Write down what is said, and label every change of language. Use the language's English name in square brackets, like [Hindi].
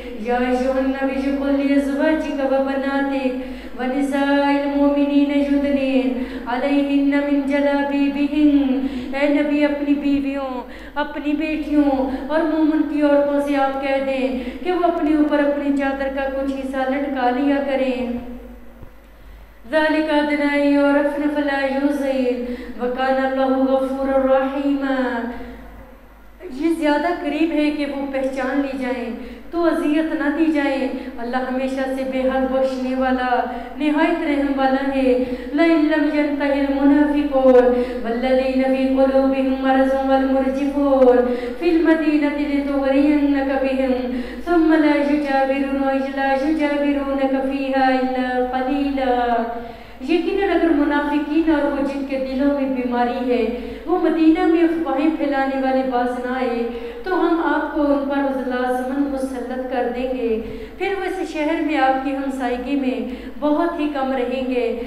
[Arabic] یا ایھا النبی قل لازواجک وبناتک ونساء المؤمنین یدنین علیہن من جلابیبہن. [Urdu] اے نبی, اپنی بیویوں, اپنی بیٹیوں اور مومن کی عورتوں سے آپ کہہ دیں کہ وہ اپنے اوپر اپنی چادر کا کچھ حصہ لٹکا لیا کریں. [Arabic] ذلك ادنى ان يعرفن فلا يزين وكان الله غفورا رحيما. [Urdu] یہ زیادہ قریب ہے کہ وہ پہچان لی جائیں تو اذیت نہ دی جائیں. اللہ ہمیشہ سے بے حد بخشنے والا, نہایت رحم والا ہے. [Arabic] لئن لم ينته المنافقون والذين في قلوبهم مرض والمرجفون في المدينة لتغرينك بهم ثم لا يجاورونك فيها الا قليلا. [Urdu] یقیناً اگر منافقین اور وہ جن کے دلوں میں بیماری ہے وہ مدینہ میں افواہیں پھیلانے والے باز نہ آئے تو ہم آپ کو ان پر لازماً مسلط کر دیں گے. پھر وہ اس شہر میں آپ کی ہمسائیگی میں بہت ہی کم رہیں گے.